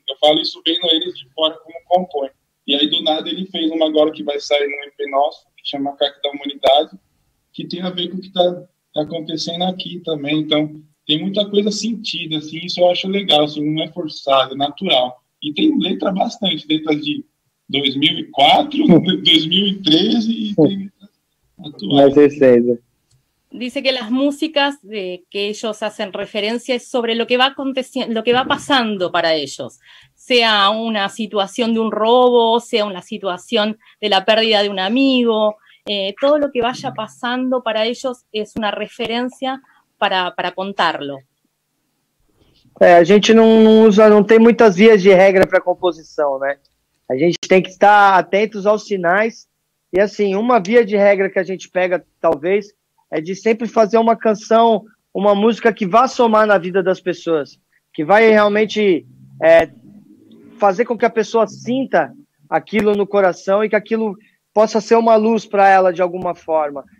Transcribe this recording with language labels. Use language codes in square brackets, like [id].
[pt] Eu falo isso vendo eles de fora como compõem. E aí, do nada, ele fez uma agora que vai sair num EP nosso, que chama Carta da Humanidade, que tem a ver com o que tá acontecendo aqui também. Então, tem muita coisa sentida, assim, isso eu acho legal, assim, não é forçado, é natural. E tem letra bastante, letras de 2004, 2013 e tem letras atuais. [es] Dice que las músicas que ellos hacen referencia es sobre lo que va aconteciendo, lo que va pasando para ellos, sea una situación de un robo, sea una situación de la pérdida de un amigo, todo lo que vaya pasando para ellos es una referencia para contarlo. [pt] A gente não tem muitas vías de regra para composição, né? A gente tem que estar atentos aos sinais e assim, uma via de regra que a gente pega talvez é de sempre fazer uma canção, uma música que vá somar na vida das pessoas, que vai realmente fazer com que a pessoa sinta aquilo no coração e que aquilo possa ser uma luz para ela de alguma forma.